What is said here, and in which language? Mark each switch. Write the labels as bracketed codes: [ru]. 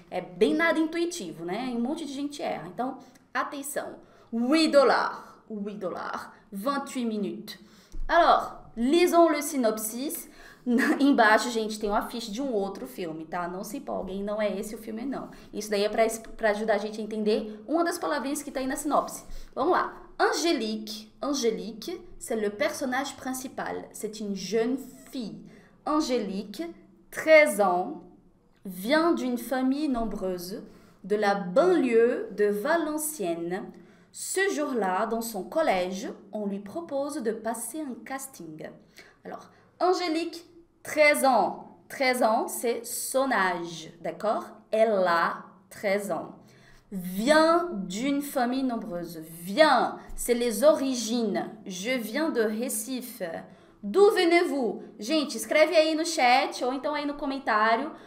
[pt] É bem nada intuitivo, né? Um monte de gente erra. Então, atenção. 8 dólares. 8 dólares. 28 minutos. [fr] Alors, lisons le synopsis. [pt] Embaixo, gente, tem uma ficha de um outro filme, tá? Não se empolguem, não é esse o filme, não. Isso daí é para ajudar a gente a entender uma das palavrinhas que tá aí na sinopse. Vamos lá. Angélique. [fr] Angélique, c'est le personnage principal. C'est une jeune fille. Angélique, 13 ans, vient d'une famille nombreuse de la banlieue de Valenciennes. Ce jour-là, dans son collège, on lui propose de passer un casting. Alors, Angélique, 13 ans. 13 ans, c'est son âge, d'accord? Elle a 13 ans. Vient d'une famille nombreuse. Vient, c'est les origines. Je viens de Recife. D'où venez-vous? [pt] Gente, escreve aí no chat ou então aí no comentário.